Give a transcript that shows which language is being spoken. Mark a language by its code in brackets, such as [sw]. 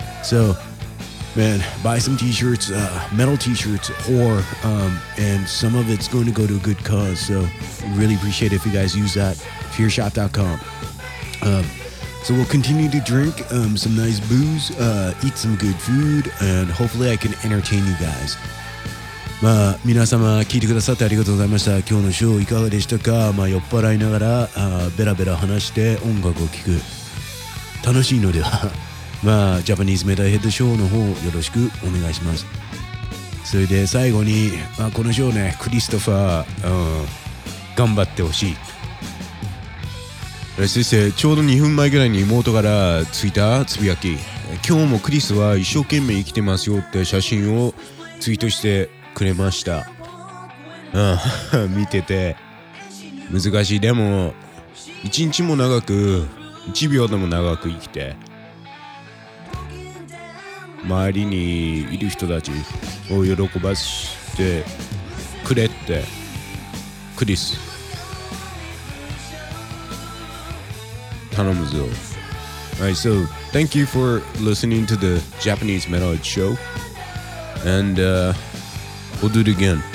[en] So,Man, buy some t-shirts, metal t-shirts, or, and some of it's going to go to a good cause. So, really appreciate it if you guys use that. Fearshop.com. So, we'll continue to drink some nice booze, eat some good food, and hopefully I can entertain you guys. [ja] まあ、皆様、聞いてくださってありがとうございました。今日のショーいかがでしたか? まあ、酔っ払いながら、ベラベラ話して音楽を聞く。楽しいのでは。まあ、ジャパニーズメタルヘッドショーの方よろしくお願いします。それで最後に、まあ、このショーね、クリストファー、頑張ってほしい。そしてちょうど2分前ぐらいに妹からツイッターつぶやき、今日もクリスは一生懸命生きてますよって写真をツイートしてくれました。見てて難しい。でも一日も長く、1秒でも長く生きて周りにいる人たちを喜ばせてくれってクリス頼むぞ。 [en] Alright, so thank you for listening to the Japanese Metalhead Show, and we'll do it again.